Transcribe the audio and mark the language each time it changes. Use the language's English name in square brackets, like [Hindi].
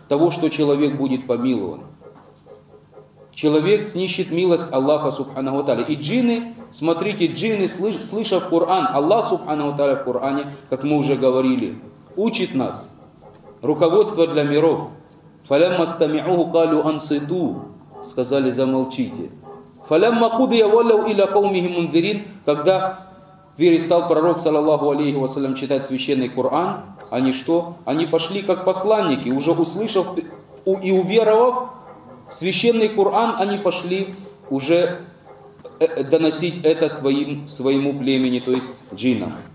[Russian] Того, что человек будет помилован. Человек снищет милость Аллаха Субханаху ва Тааля. И джинны, смотрите, джинны, слышав Коран, Аллах Субханаху ва Тааля в Коране, как мы уже говорили, учит нас, руководство для миров. [Arabic] فَلَمَّا اسْتَمِعُوهُ قَالُوا أَنصِتُوا, [Russian] сказали: замолчите. [Arabic] فَلَمَّا قُضِيَ وَلَّوْا إِلَى قَوْمِهِمْ مُنذِرِينَ, [Russian] когда перестал пророк, саллаллаху алейхи вассалям, читать священный Коран, они что? Они пошли как посланники, уже услышав и уверовав в священный Коран, они пошли уже доносить это своему племени, то есть джиннам.